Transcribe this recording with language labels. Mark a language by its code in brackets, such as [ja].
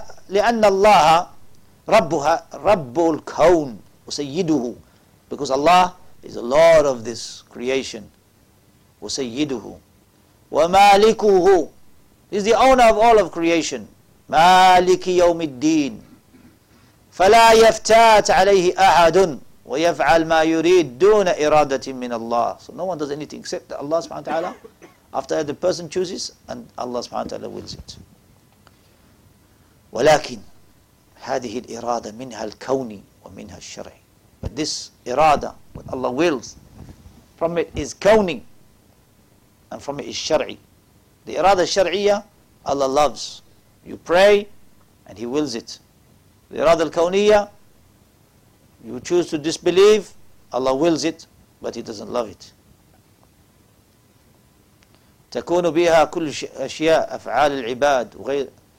[ar] لأن الله ربها رب الكون وسيده, [en] because Allah is the Lord of this creation. [ar] وسيده ومالكه, [en] is the owner of all of creation. [ar] مالك يوم الدين. فلا يفتات عليه أحد ويفعل ما يريد دون إرادة من الله. [en] So no one does anything except that Allah subhanahu wa ta'ala, after the person chooses, and Allah subhanahu wa ta'ala wills it. [ar] ولكن هذه الإرادة منها الكوني, وَمِنْهَا الشَّرْعِ. [en] But this irada, what Allah wills, from it is kawni, and from it is shar'i. The irada shar'iyya, Allah loves. You pray, and He wills it. The irada al-kawniyya, you choose to disbelieve, Allah wills it, but He doesn't love it. [ar] تكون بها كل أشياء أفعال العباد وغير.